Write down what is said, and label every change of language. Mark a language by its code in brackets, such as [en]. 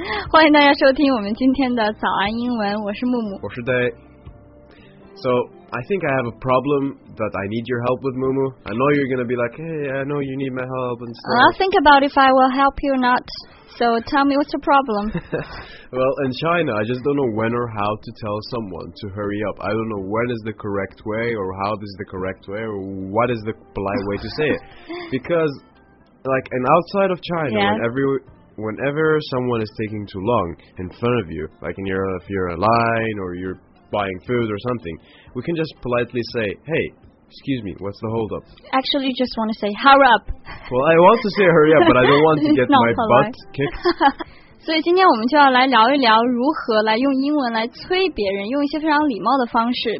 [zh] 欢迎大家收听我们今天的早安英文，我是木木。我是 Day. [en] So, I think I have a problem that I need your help with, Mumu. I know you're going to be like, hey, I know you need my help and stuff. I'll think about if I will help you or not. So, tell me what's the problem. Well, in China, I just don't know when or how to tell someone to hurry up. I don't know when is the correct way or how this is the correct way or what is the polite way to say it. Because, like, and outside of China, whenever someone is taking too long in front of you, like if you're in a line or you're buying food or something, we can just politely say, hey, excuse me, what's the hold up? Actually, you just want to say, hurry up. Well, I want to say hurry up, but I don't want to get my butt kicked. [zh] 所以今天我们就要来聊一聊如何来用英文来催别人，用一些非常礼貌的方式。